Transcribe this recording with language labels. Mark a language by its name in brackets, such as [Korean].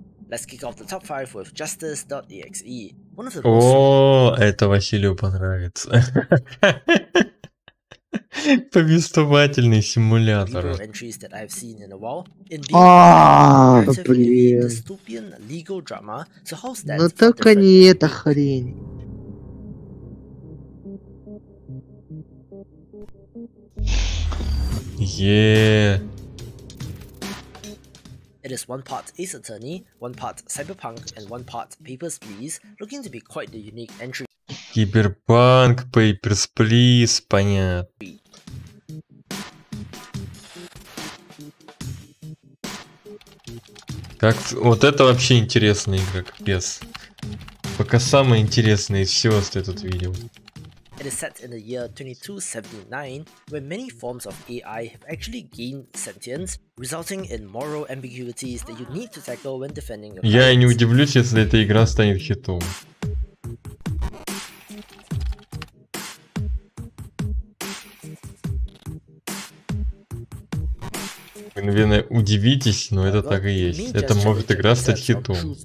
[English] Let's kick off the top 5 with justice.exe. [Russian] О, это Василию понравится. Повествовательный симулятор. Ну только не эта хрень. [English] It is one part Ace Attorney, one part Cyberpunk, and one part Papers, Please, looking to be quite the unique entry. [Russian] Cyberpunk, Papers, Please, понятно. Как... Вот это вообще интересная игра, капец. Пока самое интересное из всего, что я тут видел. [English] It is set in the year 2279, when many forms of AI have actually gained sentience, resulting in moral ambiguities that you need to tackle when defending your clients. [Russian] Я и не удивлюсь, если эта игра станет хитом. Наверное, удивитесь, но это так и есть. Это может игра стать хитом.